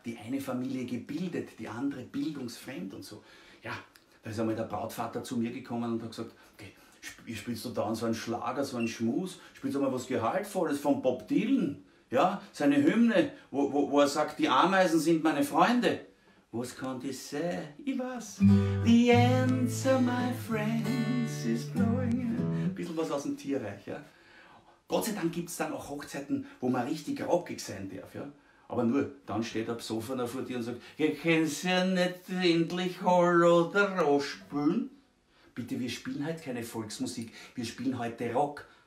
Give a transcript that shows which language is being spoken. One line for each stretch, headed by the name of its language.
German: Die eine Familie gebildet, die andere bildungsfremd und so. Ja, da ist einmal der Brautvater zu mir gekommen und hat gesagt, okay, spielst du da so einen Schlager, so einen Schmus? Spielst du mal was Gehaltvolles von Bob Dylan? Ja, seine Hymne, wo er sagt, die Ameisen sind meine Freunde. Was kann ich sagen? Ich weiß.
English: The answer, my friends, is blowing.
German: Ein bisschen was aus dem Tierreich, ja. Gott sei Dank gibt es dann auch Hochzeiten, wo man richtig rockig sein darf, ja. Aber nur, dann steht der Psofener vor dir und sagt, ich kann es ja nicht endlich Hall oder Roche spielen. Bitte, wir spielen heute keine Volksmusik, wir spielen heute Rock.